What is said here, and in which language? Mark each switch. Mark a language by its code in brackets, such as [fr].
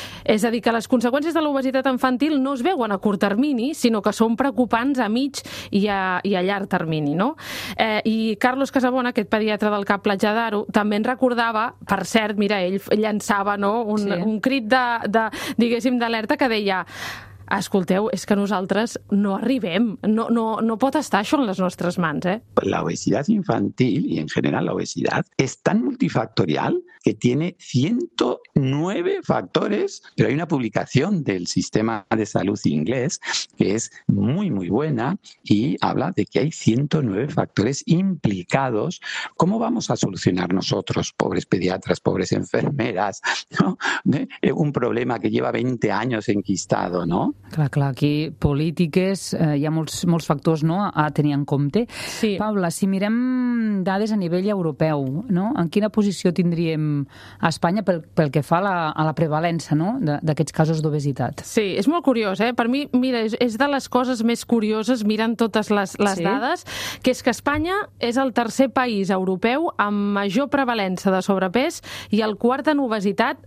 [ca] És a dir, que les conseqüències de l'obesitat infantil no es veuen a curt termini, sinó que són preocupants a mig i a llarg termini, no? I Carlos Casabona, aquest pediatre del CAP Platja d'Aro, també en recordava, per cert, mira, ell llançava, no?, un crit diguéssim, d'alerta, que deia, escolteu, és que nosaltres no arribem, no pot estar això en les nostres mans, eh? [es] La obesidad infantil, y en general la obesidad, es tan multifactorial que tiene 109 factores, pero hay una publicación del sistema de salud inglés que es muy, muy buena y habla de que hay 109 factores implicados. ¿Cómo vamos a solucionar nosotros, pobres pediatras, pobres enfermeras, ¿no?, un problema que lleva 20 años enquistado, ¿no? [ca] Clar, clar, aquí polítiques, hi ha molts factors, no?, a tenir en compte. Sí. Paula, si mirem dades a nivell europeu, no?, en quina posició tindríem a Espanya pel que fa a la prevalença, no?, d'aquests casos d'obesitat? Sí, és molt curiós, eh? Per mi, mira, és de les coses més curioses, mirant totes les sí, dades, que és que Espanya és el tercer país europeu amb major prevalença de sobrepès i el quart en obesitat.